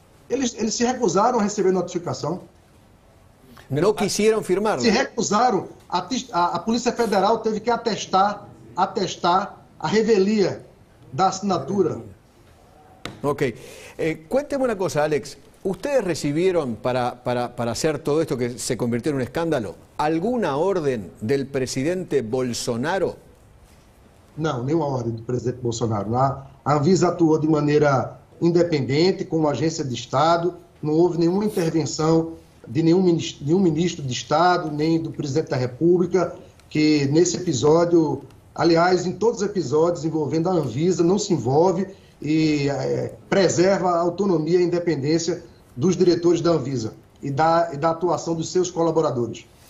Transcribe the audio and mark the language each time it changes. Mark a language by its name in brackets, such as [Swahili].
[Portuguese] Eles se recusaram a receber notificação. Não quiseram firmar. Se recusaram. A Polícia Federal teve que atestar a revelia da assinatura. Ok. [Spanish] Cuénteme [Portuguese] uma coisa, Alex. [Spanish] Ustedes recibieron para hacer todo esto que se convirtió en un escándalo alguna orden del presidente Bolsonaro? [Portuguese] Não, nenhuma ordem do presidente Bolsonaro. A Anvisa atuou de maneira independente, como agência de Estado, não houve nenhuma intervenção de nenhum ministro de Estado, nem do presidente da República, que nesse episódio, aliás, em todos os episódios envolvendo a Anvisa, não se envolve e preserva a autonomia e a independência dos diretores da Anvisa e da atuação dos seus colaboradores.